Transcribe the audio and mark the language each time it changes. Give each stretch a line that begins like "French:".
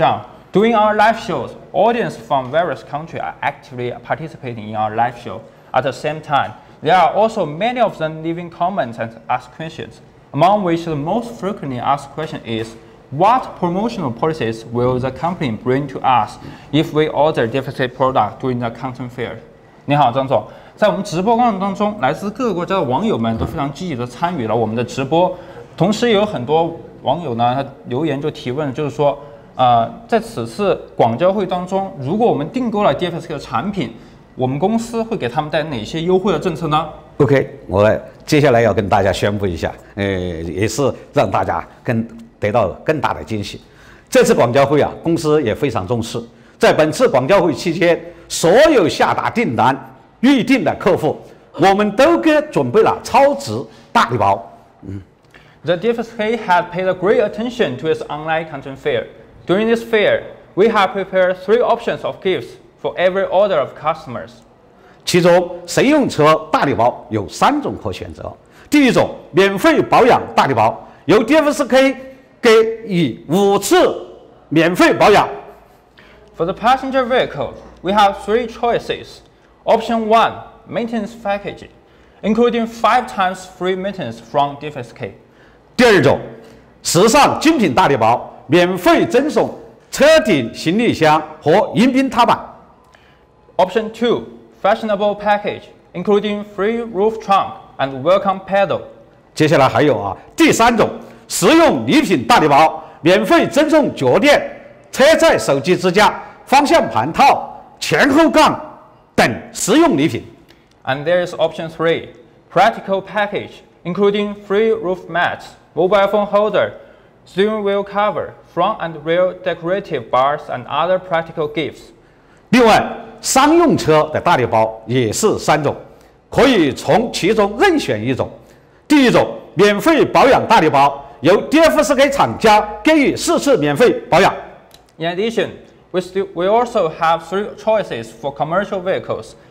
English: Zhang, during our live shows, audience from various countries are actively participating in our live show. At the same time, there are also many of them leaving comments and ask questions. Among which the most frequently asked question is, what promotional policies will the company bring to us if we order DFSK product during the content fair?
Chinese: 你好，张总，在我们直播过程当中，来自各个国家的网友们都非常积极地参与了我们的直播，同时也有很多网友呢，他留言就提问，就是说，在此次广交会当中，如果我们订购了 DFSK 的产品，我们公司会给他们带哪些优惠的政策呢？ OK, 我接下来要跟大家宣布一下，也是让大家得到更大的惊喜。这次广交会啊，公司也非常重视。在本次广交会期间，所有下达订单预订的客户，我们都给准备了超值大礼包。
English: The DFSK has paid great attention to its online content fair. During this fair, we have prepared three options of gifts for every order of customers.
Chinese: 其中神用车大礼包有三种可选择。第一种，免费保养大礼包，由 DFSK 给予五次免费保养。
English: For the passenger vehicle, we have three choices. Option one, maintenance package, including 5 times free maintenance from DFSK.
Chinese: 第二种，时尚精品大礼包，免费赠送车顶行李箱和迎宾踏板。
English: Option two,Fashionable package, including free roof trunk and welcome pedal.
Chinese: 接下来还有啊，第三种实用礼品大礼包，免费赠送脚垫、车载手机支架、方向盘套、前后杠等实用礼品。
English: And there is option three, practical package, including free roof mats, mobile phone holder, steering wheel cover, front and rear decorative bars, and other practical gifts.
Chinese: 另外，商用车的大礼包也是三种，可以从其中任选一种。第一种，免费保养大礼包，由 DFSK 厂家给予四次免费保养。
English: In addition, we also have three choices for commercial vehicles.